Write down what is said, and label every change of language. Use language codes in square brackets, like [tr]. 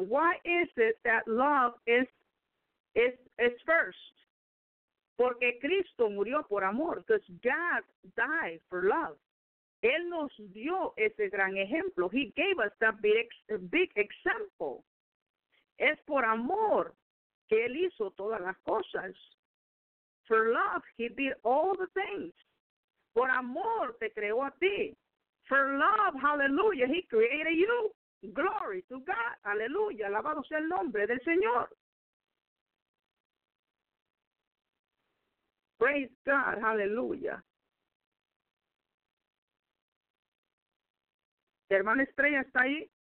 [en] Why is it that love is first? [es] Porque Cristo murió por amor. [en] Because God died for love. [es] Él nos dio ese gran ejemplo. [en] He gave us that big example. [es] Es por amor que Él hizo todas las cosas. [en] For love, He did all the things. [es] Por amor te creó a ti. [en] For love, hallelujah, He created you. Glory to God. Aleluya. [es] Alabado sea el nombre del Señor. [en] Praise God, hallelujah. [es] Hermana Estrella, ¿está ahí?